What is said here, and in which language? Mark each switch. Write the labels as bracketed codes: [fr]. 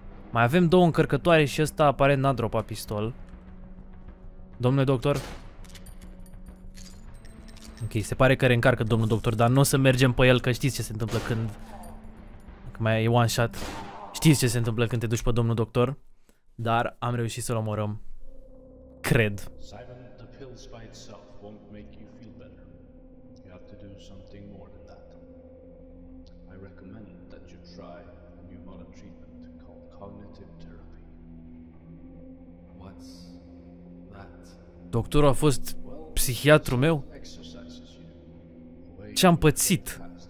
[ro] Mai avem două încărcătoare și ăsta aparent n-a dropat pistol. Domnule doctor... Ok, se pare că reîncarcă domnul doctor, dar nu o să mergem pe el, că știți ce se întâmplă când... Dacă mai e one shot, știți ce se întâmplă când te duci pe domnul doctor. Dar am reușit să-l omorăm. Cred. [en] Simon, the pills by itself won't make you feel better. You have to do something more than that. I recommend that you try a new modern treatment called cognitive therapy. What's that? [ro] Doctorul a fost psihiatrul meu? Ce am pățit?